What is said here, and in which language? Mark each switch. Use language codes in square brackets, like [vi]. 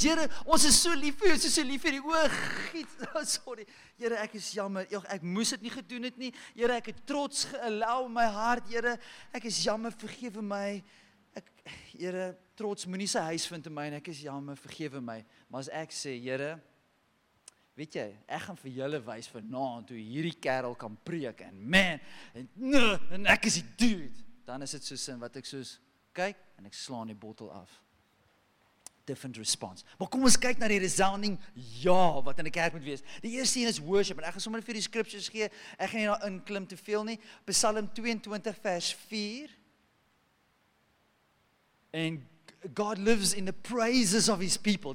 [af] Here, ons is so lief vir jou, ons is so lief vir die oog. Sorry. Here, ek is jammer. Ek moes dit nie gedoen het nie. Here, ek het trots geallow my hart. Here, ek is jammer, vergewe my. Here, trots moenie sy huis vind in my en ek is jammer, vergewe my. Maar as ek sê, Here, weet jy, ek gaan vir julle wys vanaand hoe hierdie kerel kan preek en man, en ek is die dude. Dan is dit so sin wat ek soos kyk en ek slaan die bottel af. [en] Different response. [af] Maar kom ons kyk na die resounding ja wat in die kerk moet wees. Die eerste een is worship en ek gaan sommer vir die scriptures gee. Ek gaan nie daar inklim te veel nie. Psalm 22 vers 4. [en] En God lives in the praises of his people.